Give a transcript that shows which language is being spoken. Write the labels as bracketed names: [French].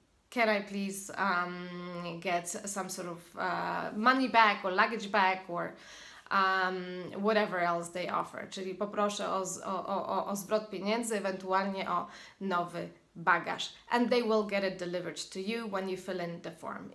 [English] Can I please get some sort of money back or luggage back or whatever else they offer. [Polish] Czyli poproszę o zwrot pieniędzy, ewentualnie o nowy bagaż. [English] And they will get it delivered to you when you fill in the form.